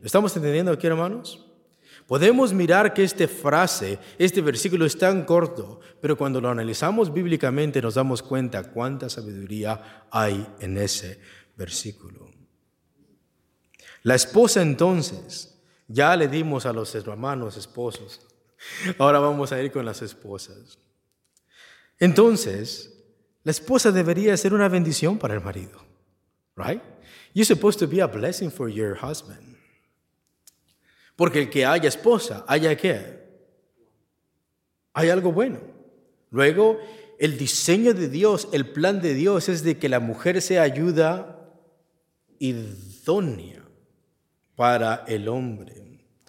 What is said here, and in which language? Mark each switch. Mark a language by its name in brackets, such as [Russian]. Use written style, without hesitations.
[Spanish] ¿Estamos entendiendo aquí, hermanos? Podemos mirar que esta frase, este versículo es tan corto, pero cuando lo analizamos bíblicamente nos damos cuenta cuánta sabiduría hay en ese versículo. La esposa entonces, ya le dimos a los hermanos esposos, ahora vamos a ir con las esposas. Entonces, la esposa debería ser una bendición para el marido, [English] right? You're supposed to be a blessing for your husband. [Spanish] Porque el que haya esposa, ¿haya qué? Hay algo bueno. Luego, el diseño de Dios, el plan de Dios es de que la mujer sea ayuda idónea para el hombre.